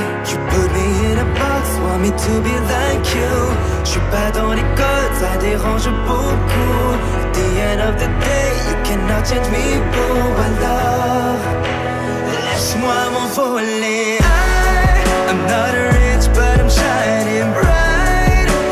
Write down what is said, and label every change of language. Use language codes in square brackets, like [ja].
[en] You put me in a box, want me to be like you. [fr] Je suis pas dans les codes, ça dérange beaucoup. [en] At the end of the day, you cannot change me, boo. [fr] Alors, lâche-moi m'envoler. [en] I'm not rich, but I'm shining bright.